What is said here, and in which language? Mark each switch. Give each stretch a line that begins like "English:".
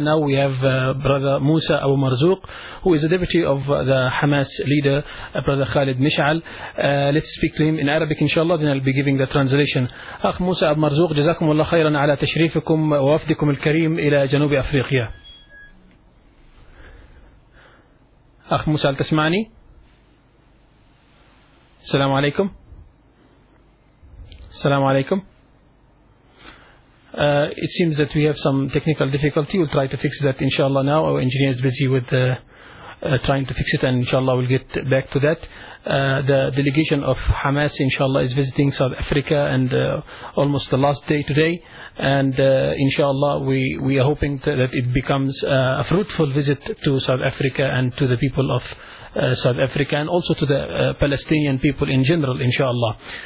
English: Now we have brother Musa Abu Marzouq, who is a deputy of the Hamas leader, brother Khalid Mishal. Let's speak to him in Arabic, inshallah, then I'll be giving the translation.
Arabic: أخ موسى أبو مرزوق, جزاكم الله خيرا على تشريفكم ووفدكم الكريم إلى جنوب أفريقيا. أخ موسى, هل تسمعني؟ السلام عليكم. السلام عليكم.
English: It seems that we have some technical difficulty. We'll try to fix that inshallah now. Our engineer is busy with trying to fix it, and inshallah we'll get back to that. The delegation of Hamas inshallah is visiting South Africa, and almost the last day today, and inshallah we are hoping that it becomes a fruitful visit to South Africa and to the people of South Africa, and also to the Palestinian people in general, inshallah.